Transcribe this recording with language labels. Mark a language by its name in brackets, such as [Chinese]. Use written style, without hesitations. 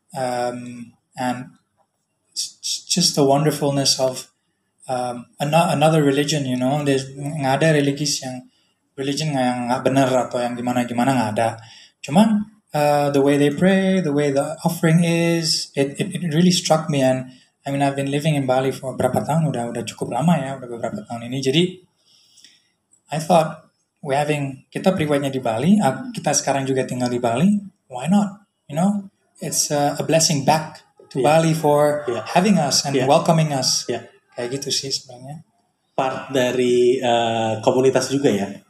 [English] And just the wonderfulness of another religion, you know. [Indonesian] There's nggak ada religion yang nggak benar atau yang gimana nggak ada. Cuman [English] the way they pray, the way the offering is, it really struck me. And I mean, I've been living in Bali for [Indonesian] berapa tahun? Udah cukup lama ya, udah beberapa tahun ini. Jadi [English] I thought we having [Indonesian] kita pribadinya di Bali, kita sekarang juga tinggal di Bali, [English] why not? You know, it's a blessing back to yeah. Bali for yeah. having us and yeah. welcoming us. Yeah. [Indonesian] Kayak gitu sih sebenarnya. Part dari komunitas juga ya.